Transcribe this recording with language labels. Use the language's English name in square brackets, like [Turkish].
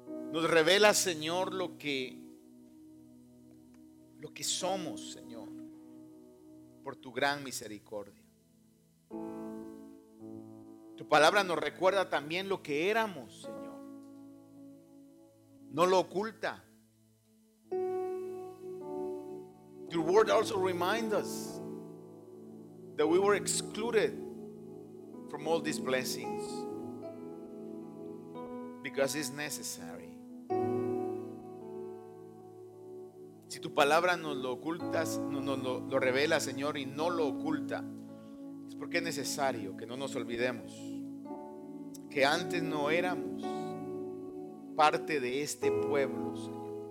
[Spanish] Nos revela, Señor, lo que somos, Señor, por tu gran misericordia. Tu palabra nos recuerda también lo que éramos, Señor. No lo oculta. [English] Your word also reminds us that we were excluded from all these blessings because it's necessary. [Spanish] Si tu palabra nos lo ocultas, nos lo revela, Señor, y no lo oculta, es porque es necesario que no nos olvidemos que antes no éramos parte de este pueblo, Señor.